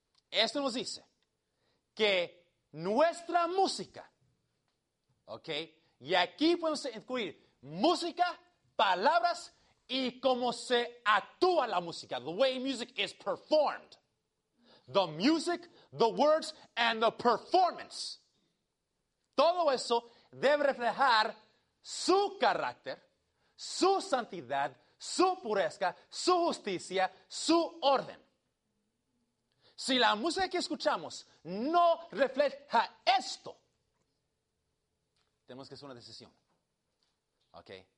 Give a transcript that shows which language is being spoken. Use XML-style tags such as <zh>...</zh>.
<es>Esto nos dice que nuestra música, ¿ok? Y aquí podemos incluir música, palabras y cómo se actúa la música.</es> <en>The way music is performed. The music, the words, and the performance.</en> <es>Todo eso debe reflejar su carácter, su santidad, su pureza, su justicia, su orden. Si la música que escuchamos no refleja esto, tenemos que hacer una decisión. ¿Ok?</es>